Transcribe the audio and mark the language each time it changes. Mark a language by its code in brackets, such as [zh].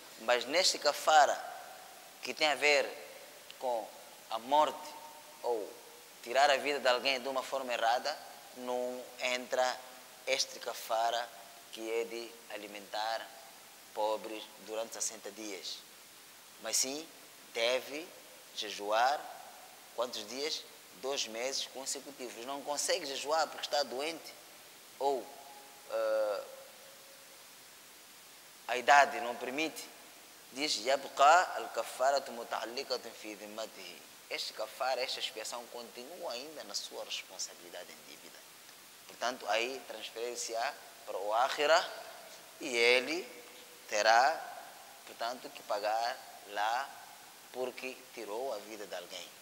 [pt] Mas neste kafara, que tem a ver com a morte ou tirar a vida de alguém de uma forma errada, não entra este kafara que é de alimentar pobres durante 60 dias. Mas sim, deve jejuar, quantos dias? 2 meses consecutivos. Não consegue jejuar porque está doente ou a idade não permite. Diz, [ar] يبقى الكفارة متعلقة في ذمته. [pt] Este kafara, esta expiação continua ainda na sua responsabilidade em dívida. Portanto, aí transferência para o Akhira e ele terá, portanto, que pagar lá porque tirou a vida de alguém.